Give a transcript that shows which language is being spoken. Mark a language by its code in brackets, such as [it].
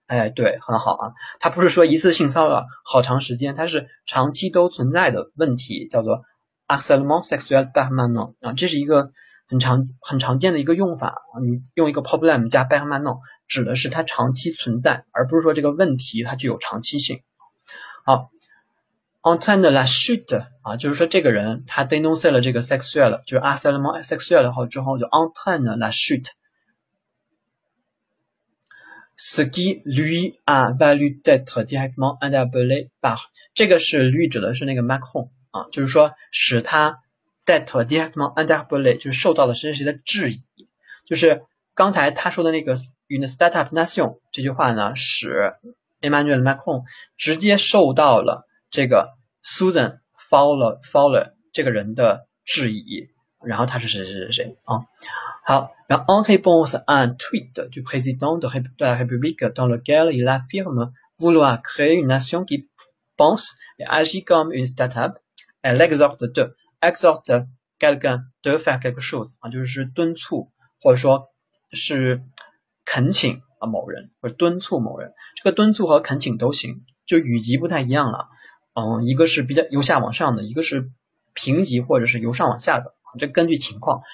[zh] 哎，对，很好啊，它不是说一次性骚扰好长时间，它是长期都存在的问题，叫做 [fr] harcèlement sexuel permanent [zh] 啊，这是一个很常见的一个用法，你用一个 problème 加 permanent，指的是它长期存在，而不是说这个问题它具有长期性。好，Antoine de la Chute 啊，就是说这个人他 dénoncé 了这个 sexuel，就是 harcèlement sexuel 后之后就 Antoine de la Chute， [fr] ce qui lui a valu d'être directement interpellé par， [zh] 这个是 lui 指的是那个 Macron 啊，就是说使他 [fr] d'être directement interpellé [zh] 就是受到了谁谁的质疑，就是刚才他说的那个 une startup nation 这句话呢，使 Emmanuel Macron 直接受到了这个 Susan Fowler 这个人的质疑，然后他是谁啊？ [fr] 好，然后 en réponse à un tweet du président de la République dans lequel il affirme vouloir créer une nation qui pense et agit comme une startup, elle exhorte quelqu'un de faire quelque chose [zh] 啊，就是敦促或者说是恳请啊某人或者敦促某人，这个敦促和恳请都行，就语级不太一样了。嗯，一个是比较由下往上的，一个是平级或者是由上往下的，这根据情况。